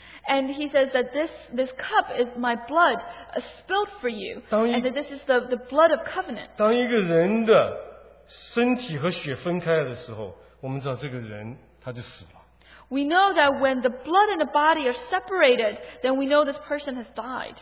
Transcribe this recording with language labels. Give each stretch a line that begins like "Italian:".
English: and he says that this cup is my blood spilled for you.
Chinese: 当一,
English: and that this is the blood of covenant.
Chinese: 当一个人的身体和血分开的时候, 我们知道这个人他就死了。
English: We know that when the blood and the body are separated, then we know this person has died.